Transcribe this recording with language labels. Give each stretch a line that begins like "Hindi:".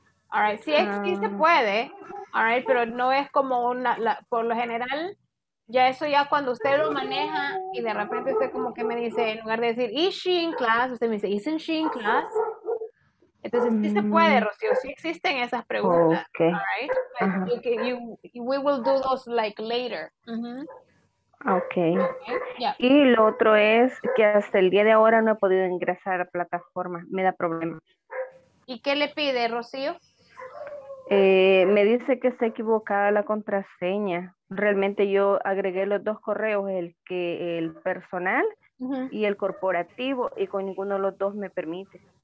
Spanish: All right, si existe, puede. All right, pero no es como una, por lo general, ya eso ya cuando usted lo maneja y de repente usted como que me dice, en lugar de decir, is she in class, usted me dice, isn't she in class? Entonces, sí se puede, Rocío, sí existen esas preguntas.
English: Okay. All right, we will do those like later. Okay. Yeah.
Spanish: Y lo otro es que hasta el día de ahora no he podido ingresar a la plataforma, me da problemas. ¿Y qué le pide, Rocío? Me dice que está equivocada la contraseña. Realmente yo agregué los dos correos, el personal y el corporativo, y con ninguno de los dos me permite.